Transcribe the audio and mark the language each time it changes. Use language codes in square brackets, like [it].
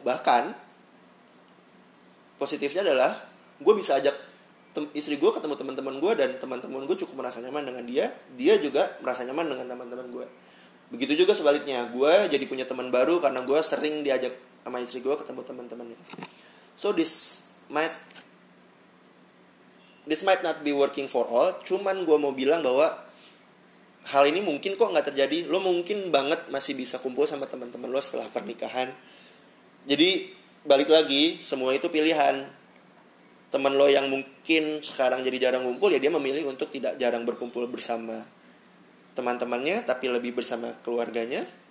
[id] Bahkan positifnya adalah gue bisa ajak istri gue ketemu teman-teman gue, dan teman-teman gue cukup merasa nyaman dengan dia. Dia juga merasa nyaman dengan teman-teman gue. Begitu juga sebaliknya, gue jadi punya teman baru karena gue sering diajak sama istri gue ketemu teman-temannya. [en] So this might not be working for all. [id] Cuman gue mau bilang bahwa hal ini mungkin kok gak terjadi. Lo mungkin banget masih bisa kumpul sama teman-teman lo setelah pernikahan. Jadi balik lagi, semua itu pilihan. Teman lo yang mungkin sekarang jadi jarang kumpul, ya dia memilih untuk tidak jarang berkumpul bersama teman-temannya, tapi lebih bersama keluarganya.